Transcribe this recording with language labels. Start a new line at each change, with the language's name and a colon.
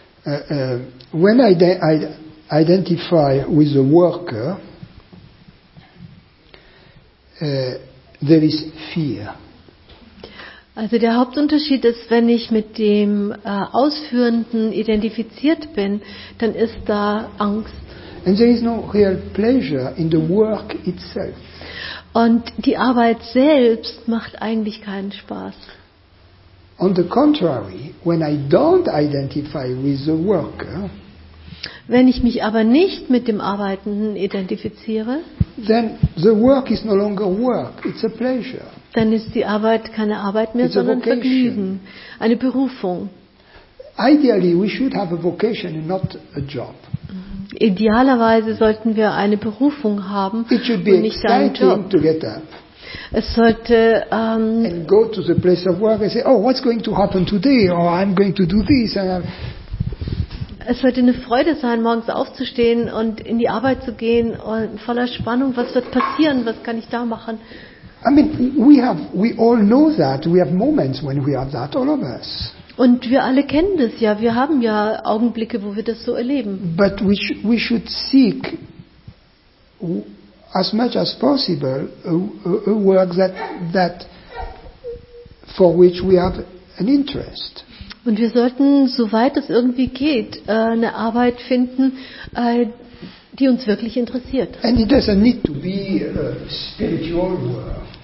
English: When I identify with a worker, there is fear.
German: Also der Hauptunterschied ist, wenn ich mit dem Ausführenden identifiziert bin, dann ist da Angst.
English: And there is no real pleasure in the work itself.
German: Und die Arbeit selbst macht eigentlich keinen Spaß.
English: On the contrary, when I don't identify with the worker,
German: wenn ich mich aber nicht mit dem Arbeitenden identifiziere,
English: then the work is no longer work, it's a pleasure.
German: Dann ist die Arbeit keine Arbeit mehr,
English: it's
German: sondern Vergnügen, eine Berufung.
English: Ideally, we should have a vocation and not a job.
German: Idealerweise sollten wir eine Berufung haben und nicht einen Job. Es sollte
English: and go to the place of work and say, oh, what's going to happen today? Or I'm going to do this. And
German: es sollte eine Freude sein, morgens aufzustehen und in die Arbeit zu gehen und voller Spannung, was wird passieren? Was kann ich da machen?
English: I mean, we all know that. We have moments when we have that, all of us.
German: Und wir alle kennen das ja, wir haben ja Augenblicke, wo wir das so erleben.
English: But we should seek as much as possible a work that for which we have an interest.
German: Und wir sollten, soweit es irgendwie geht, eine Arbeit finden, die uns wirklich interessiert.
English: And it doesn't need to be a spiritual work.